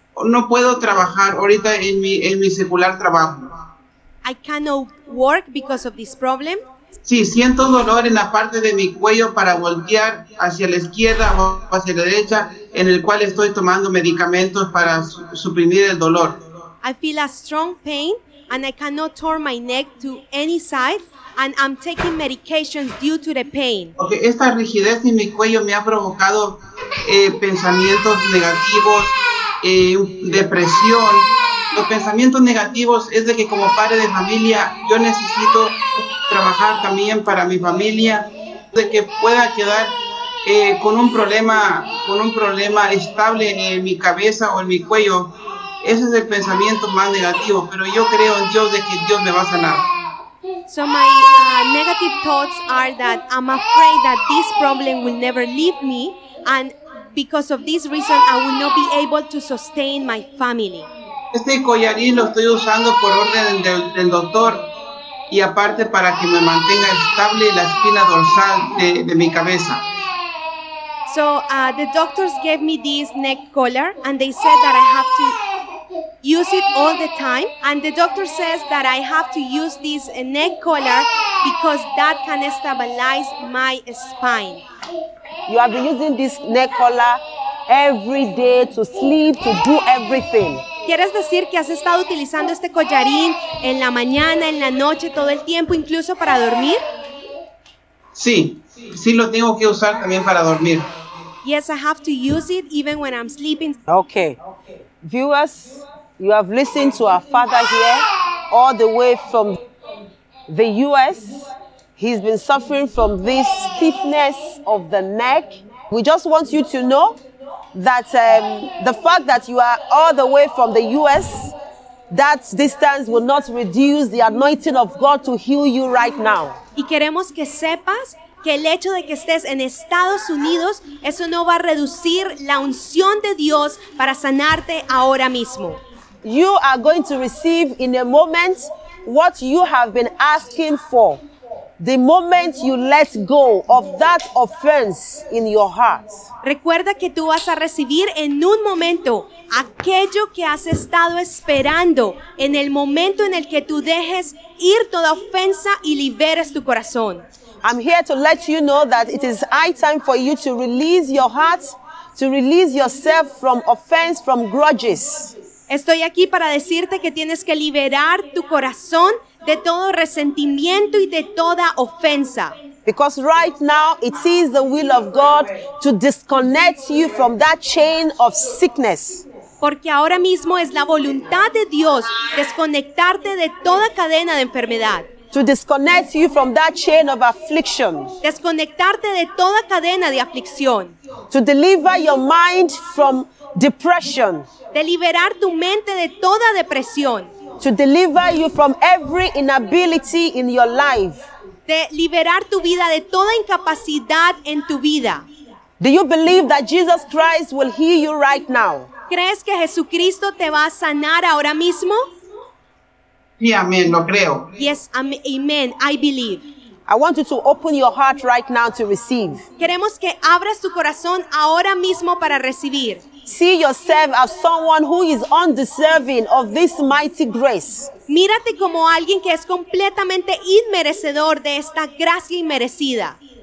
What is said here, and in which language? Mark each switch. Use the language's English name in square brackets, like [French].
[Spanish] No puedo trabajar ahorita en mi secular trabajo. [English] I cannot work because of this problem. [Spanish] Sí, siento dolor en la parte de mi cuello para voltear hacia la izquierda o hacia la derecha, en el cual estoy tomando medicamentos para suprimir el dolor. [English] I feel a strong pain and I cannot turn my neck to any side and I'm taking medications due to the pain. [Spanish] Okay, esta rigidez en mi cuello me ha provocado pensamientos negativos, depresión. Los pensamientos negativos es de que como padre de familia yo necesito trabajar también para mi familia, de que pueda quedar con un problema estable en mi cabeza o en mi cuello. Ese es el pensamiento más negativo, pero yo creo en Dios de que Dios me va a sanar. [English] So my negative thoughts are that I'm afraid that this problem will never leave me, and because of this reason I will not be able to sustain my family. [Spanish] Este collarín lo estoy usando por orden del doctor y aparte para que me mantenga estable la espina dorsal de mi cabeza. [English] So the doctors gave me this neck collar and they said that I have to use it all the time, and the doctor says that I have to use this neck collar because that can stabilize my spine. You have been using this neck collar every day to sleep, to do everything. [Spanish] ¿Quieres decir que has estado utilizando este collarín en la mañana, en la noche, todo el tiempo, incluso para dormir? Sí, sí lo tengo que usar también para dormir. [English] Yes, I have to use it even when I'm sleeping. Okay. Viewers, you have listened to our father here all the way from the US. He's been suffering from this stiffness of the neck. We just want you to know that the fact that you are all the way from the US, that distance will not reduce the anointing of God to heal you right now. [Spanish] Y queremos que sepas que el hecho de que estés en Estados Unidos, eso no va a reducir la unción de Dios para sanarte ahora mismo. [English] You are going to receive in a moment what you have been asking for. The moment you let go of that offense in your heart. [Spanish] Recuerda que tú vas a recibir en un momento aquello que has estado esperando, en el momento en el que tú dejes ir toda ofensa y liberes tu corazón. [English] I'm here to let you know that it is high time for you to release your heart, to release yourself from offense, from grudges. [Spanish] Estoy aquí para decirte que tienes que liberar tu corazón de todo resentimiento y de toda ofensa. [English] Because right now it is the will of God to disconnect you from that chain of sickness. [Spanish] Porque ahora mismo es la voluntad de Dios desconectarte de toda cadena de enfermedad. [English] To disconnect you from that chain of affliction. [Spanish] Desconectarte de toda cadena de aflicción. [English] To deliver your mind from depression. [Spanish] De liberar tu mente de toda depresión. [English] To deliver you from every inability in your life. [Spanish] De liberar tu vida de toda incapacidad en tu vida. [English] Do you believe that Jesus Christ will heal you right now? [Spanish] ¿Crees que Jesucristo te va a sanar ahora mismo? Sí, amén, lo creo. [English] Yes, amen, I believe. I want you to open your heart right now to receive. [Spanish] Queremos que abras tu corazón ahora mismo para recibir. [English] See yourself as someone who is undeserving of this mighty grace. [Spanish] Mírate como alguien que es completamente inmerecedor de esta gracia inmerecida.